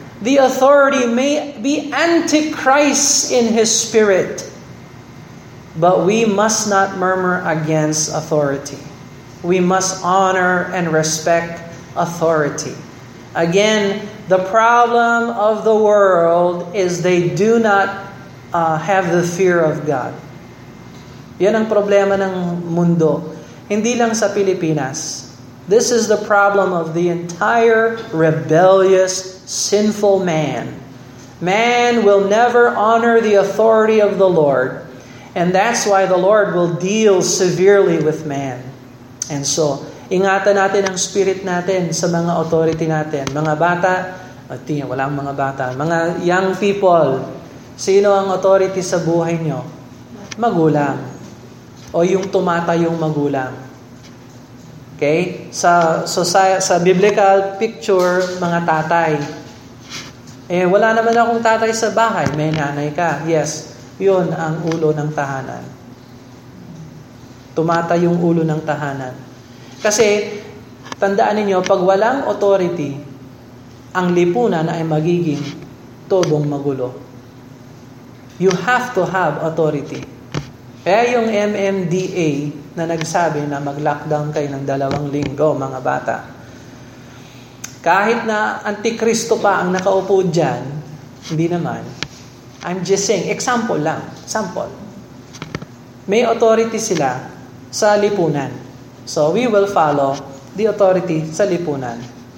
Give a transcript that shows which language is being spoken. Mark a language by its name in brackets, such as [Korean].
[English] The authority may be antichrist in his spirit, but we must not murmur against authority. We must honor and respect authority. Again, the problem of the world is they do not have the fear of God. [Filipino] Yan ang problema ng mundo. Hindi lang sa Pilipinas. [English] This is the problem of the entire rebellious, sinful man. Man will never honor the authority of the Lord. And that's why the Lord will deal severely with man. And so, [Filipino] ingatan natin ang spirit natin sa mga authority natin. Mga bata, wala ang mga bata. Mga [English] young people, [Filipino] sino ang authority sa buhay nyo? Magulang. O yung tumatayong magulang. Okay, sa society, sa biblical picture, mga tatay. Eh wala naman akong tatay sa bahay, may nanay ka. Yes, 'yun ang ulo ng tahanan. Tumatay yung ulo ng tahanan. Kasi tandaan ninyo, pag walang authority, ang lipunan ay magiging todong magulo. [English] You have to have authority. [Filipino] Kaya yung MMDA na nagsabi na mag-lockdown kayo ng 2 linggo, mga bata. Kahit na antikristo pa ang nakaupo dyan, hindi naman. [English] I'm just saying, example [Filipino] lang. [English] Sample. [Filipino] May authority sila sa lipunan. [English] So we will follow the authority [Filipino] sa lipunan.